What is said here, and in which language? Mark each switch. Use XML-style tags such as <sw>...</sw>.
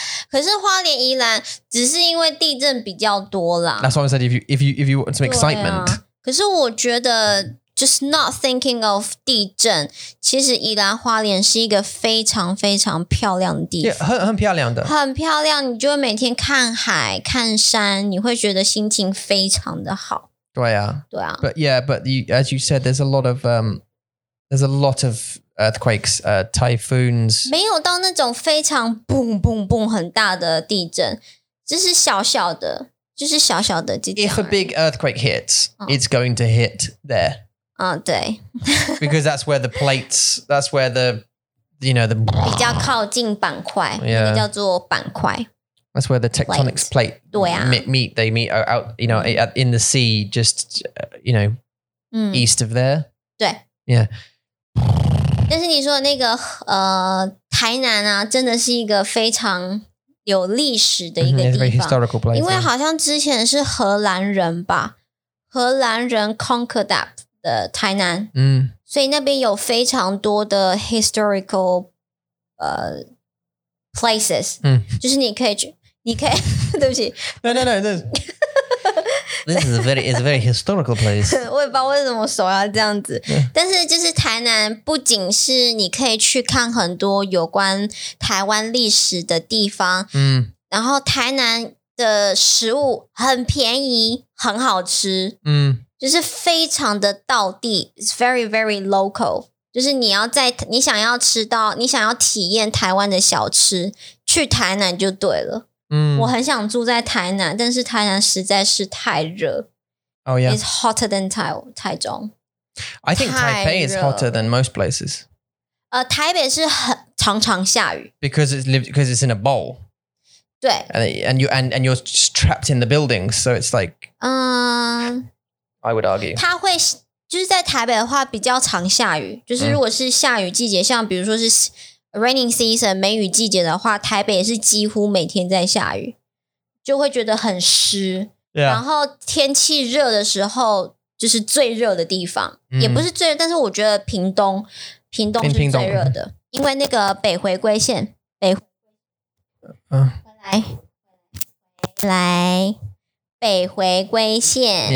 <zh>可是花莲宜兰只是因为地震比较多啦.</zh> <en>That's why I said if you want some excitement.</en> <zh>可是我觉得</zh> <en>Just not thinking of</en> <zh>地震, 其实宜兰花莲是一个非常非常漂亮的地方。很漂亮的。很漂亮,你就会每天看海,看山,你会觉得心情非常的好。</zh> <en>But yeah, but you, as you said, there's a lot of, there's a lot of earthquakes, typhoons.</en> <zh>没有到那种非常 boom, boom, boom 很大的地震。这是小小的。就是小小的地震。</zh> <en>If a big earthquake hits, it's going to hit there.</en> <zh>对。</zh> <en>Because that's where the plates, that's where the, you know, the...</en> <zh>比较靠近板块。Yeah. 叫做板块。</zh> <en>That's where the tectonics plate</en> <zh>对啊。</zh> <en>meet. They meet out, you know, in the sea, just, you know, east of there.</en> <zh>对。</zh> <en>Yeah.</en> <zh>但是你说的那个台南啊，真的是一个非常有历史的一个地方。</zh> <en>Very historical place,</en> <zh>因为好像之前是荷兰人吧，荷兰人</zh> <en>conquered that</en> <zh>的台南，所以那边有非常多的 historical places，就是你可以去，你可以，对不起。</zh> <en>No, this, this is a very, it's a very historical place.</en> <zh>我也不知道为什么手要这样子。但是就是台南不仅是你可以去看很多有关台湾历史的地方，然后台南的食物很便宜，很好吃，就是非常的道地，</zh> <en>it's very, very local.</en> <zh>就是你要在，你想要吃到，你想要体验台湾的小吃，去台南就对了。我很想住在台南，但是台南实在是太热。</zh> <en>Oh yeah, it's hotter than 台中。 I think Taipei is hotter than most places.</en> <zh>台北是很常常下雨。</zh> <en>Because it's in a bowl.</en> <zh>对。</zh> <en>And you're trapped in the building, so it's like. I would argue.</en> <zh>它会就是在台北的话比较常下雨，就是如果是下雨季节，像比如说是。</zh> <en>Raining season,</en> <zh>梅雨季节的话，台北是几乎每天在下雨，就会觉得很湿。</zh> <en>Yeah.</en> <zh>然后天气热的时候，就是最热的地方，也不是最热，但是我觉得屏东是最热的，因为那个北回归线，北回归线，</zh>